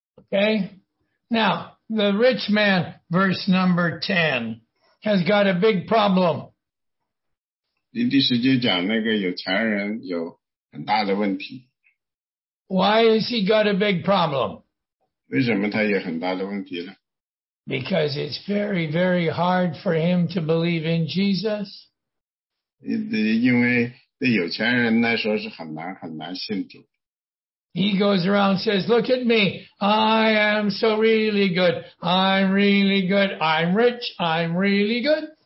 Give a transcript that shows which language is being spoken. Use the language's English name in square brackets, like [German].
[English] Okay, now the rich man, verse number 10, has got a big problem. [Chinese] 第十节讲那个有钱人有很大的问题。 [English] Why has he got a big problem? [Chinese] 为什么他有很大的问题呢？ [English] Because it's very, very hard for him to believe in Jesus. [Chinese] 因为对有钱人来说是很难信主。 [English] He goes around and says, look at me, I am so really good, I'm really good, I'm rich, I'm really good.